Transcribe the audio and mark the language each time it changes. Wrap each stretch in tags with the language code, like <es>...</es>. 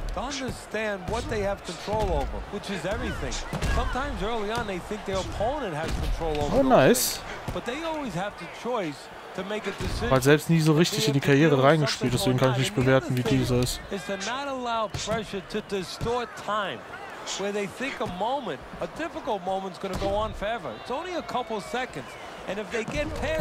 <en>To understand what they have control over, which is everything. Sometimes early on they think their opponent has control over. Oh, nice. But they always have the choice to make a decision.</en> <de>Weil selbst nie so richtig in die Karriere reingespielt, deswegen kann ich nicht bewerten, wie dieser ist.</de> <en>Is to not allow pressure to distort time, where they think a moment, a difficult moment, is going to go on forever. It's only a couple seconds, and if they get past.</en>